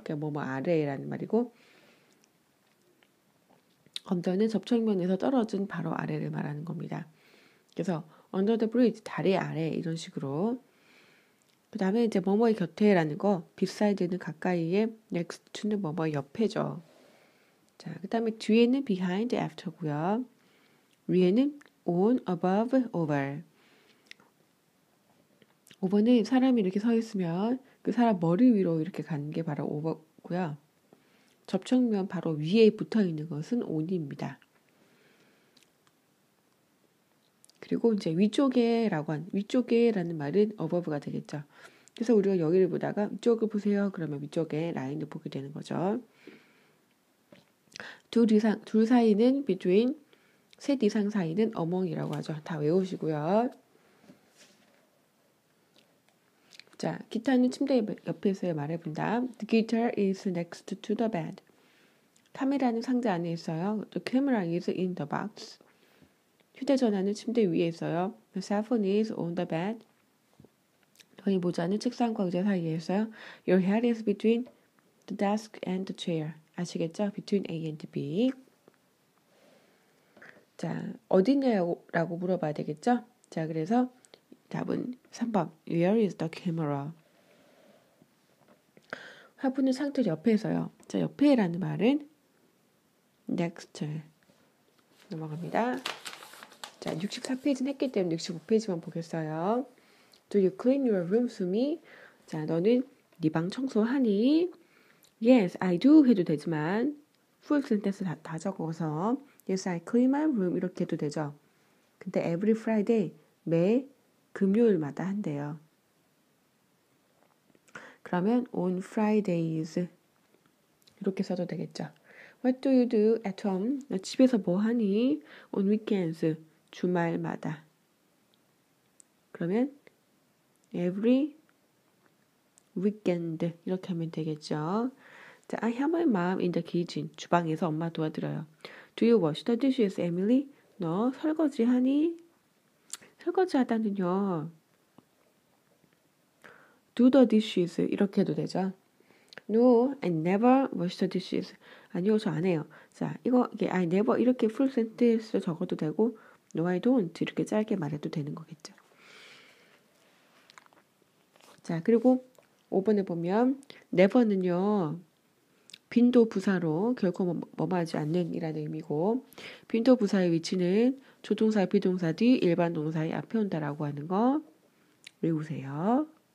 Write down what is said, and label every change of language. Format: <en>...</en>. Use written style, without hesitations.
<ko>그냥 뭐뭐 아래라는 말이고, 언더는 접촉면에서 떨어진 바로 아래를 말하는 겁니다. 그래서</ko> <en>under the bridge,</en> <ko>다리 아래, 이런 식으로. 그 다음에 이제 뭐뭐의 곁에라는 거, beside는 가까이에, next to는 뭐뭐의 옆에죠. 자, 그 다음에 뒤에는 behind, after고요. 위에는</ko> <en>on, above, over.</en> <ko>5번은 사람이 이렇게 서 있으면 그 사람 머리 위로 이렇게 가는 게 바로 over고요. 접촉면 바로 위에 붙어 있는 것은 on입니다. 그리고 이제 위쪽에라는 말은 above가 되겠죠. 그래서 우리가 여기를 보다가 위쪽을 보세요. 그러면 위쪽에 라인을 보게 되는 거죠. 둘 사이는 between, 셋 이상 사이는 among이라고 하죠. 다 외우시고요. 자, 기타는 침대 옆에서 말해본다.</ko> <en>The guitar is next to the bed.</en> <ko>카메라는 상자 안에 있어요.</ko> <en>The camera is in the box.</en> <ko>휴대전화는 침대 위에 있어요.</ko> <en>The cell phone is on the bed.</en> <ko>너의 모자는 책상과 의자 사이에 있어요.</ko> <en>Your hat is between the desk and the chair.</en> <ko>아시겠죠?</ko> <en>Between A and B.</en> <ko>자, 어디냐고 물어봐야 되겠죠? 자, 그래서 답은 3번.</ko> <en>Where is the camera?</en> <ko>화분은 상자 옆에서요. 자, 옆에라는 말은 next. 넘어갑니다. 자, 64페이지는 했기 때문에 65페이지만 보겠어요.</ko> <en>Do you clean your room, Sumi?</en> <ko>자, 너는 네 방 청소하니?</ko> <en>Yes, I do</en> <ko>해도 되지만</ko> <en>full sentence</en> <ko>다 적어서</ko> <en>Yes, I clean my room</en> <ko>이렇게 해도 되죠. 근데</ko> <en>every Friday,</en> <ko>매 금요일마다 한대요. 그러면</ko> <en>on Fridays</en> <ko>이렇게 써도 되겠죠.</ko> <en>What do you do at home?</en> <ko>너 집에서 뭐 하니?</ko> <en>On weekends,</en> <ko>주말마다. 그러면</ko> <en>every weekend</en> <ko>이렇게 하면 되겠죠.</ko> <en>I help my mom in the kitchen.</en> <ko>주방에서 엄마 도와드려요.</ko> <en>Do you wash the dishes, Emily?</en> <ko>너 설거지하니? 설거지하다는요.</ko> <en>Do the dishes</en> <ko>이렇게 해도 되죠.</ko> <en>No, I never wash the dishes.</en> <ko>아니요, 저 안 해요. 자, 이거 이게 I never 이렇게</ko> <en>full sentence</en> <ko>적어도 되고</ko> <en>No, I don't</en> <ko>이렇게 짧게 말해도 되는 거겠죠. 자, 그리고 5번에 보면 never는요. 빈도 부사로 결코 뭐하지 않는 이라는 의미고 빈도 부사의 위치는 조동사, 비동사 뒤 일반 동사의 앞에 온다라고 하는 거 외우세요.</ko>